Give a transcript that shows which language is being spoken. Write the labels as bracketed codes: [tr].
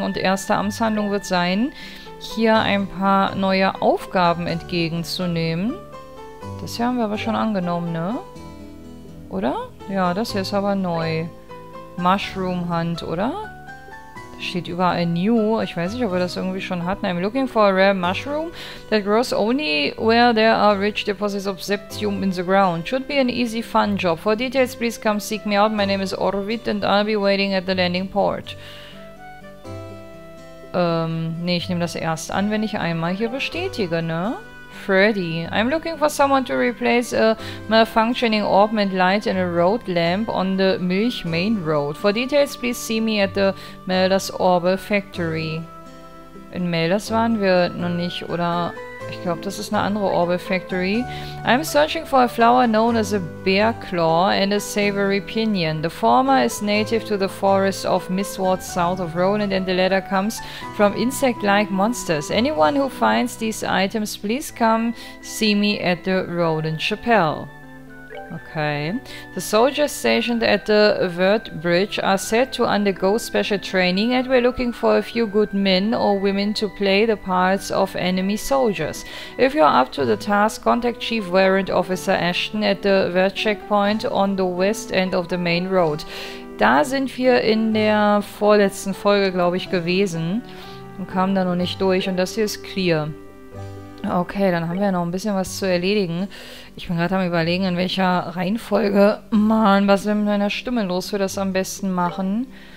[de] Und erste Amtshandlung wird sein, hier ein paar neue Aufgaben entgegenzunehmen. Das hier haben wir aber schon angenommen, ne? Oder? Ja, das hier ist aber neu. Mushroom Hunt, oder? Da steht überall New. Ich weiß nicht, ob wir das irgendwie schon hatten. [en] I'm looking for a rare mushroom that grows only where there are rich deposits of septium in the ground. Should be an easy fun job. For details, please come seek me out. My name is Orvid and I'll be waiting at the landing port. [de] Ne, ich nehme das erst an, wenn ich einmal hier bestätige, ne? [en] Freddy, I'm looking for someone to replace a malfunctioning augment light in a road lamp on the Milch Main Road. For details, please see me at the Melders Orbe Factory. [de] In Melders waren wir noch nicht, oder? Ich glaube, das ist eine andere Orbe Factory. [en] I'm searching for a flower known as a bear claw and a savory pinion. The former is native to the forest of Mistwood south of Roland and the latter comes from insect-like monsters. Anyone who finds these items, please come see me at the Roland Chapel. Okay. The soldiers stationed at the Vert Bridge are set to undergo special training and we're looking for a few good men or women to play the parts of enemy soldiers. If you're up to the task, contact Chief Warrant Officer Ashton at the Vert Checkpoint on the west end of the main road. [de] Da sind wir in der vorletzten Folge, glaube ich, gewesen und kamen da noch nicht durch und das hier ist clear. Okay, dann haben wir noch ein bisschen was zu erledigen. Ich bin gerade am Überlegen, in welcher Reihenfolge, Mann, was ist mit meiner Stimme los, wir das am besten machen.